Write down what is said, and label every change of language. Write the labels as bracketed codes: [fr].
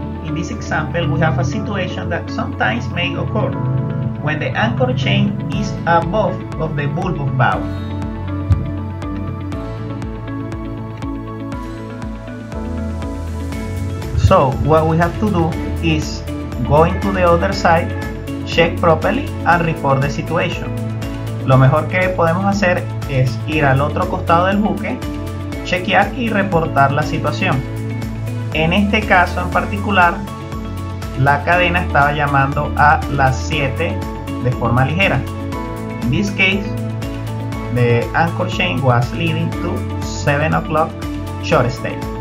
[en] In this example, we have a situation that sometimes may occur when the anchor chain is above of the bulbous bow. So what we have to do is going to the other side, check properly and report the situation. [es] Lo mejor que podemos hacer es ir al otro costado del buque, chequear y reportar la situación. En este caso en particular, la cadena estaba llamando a las 7 de forma ligera. [en] In this case, the anchor chain was leading to 7 o'clock short stay.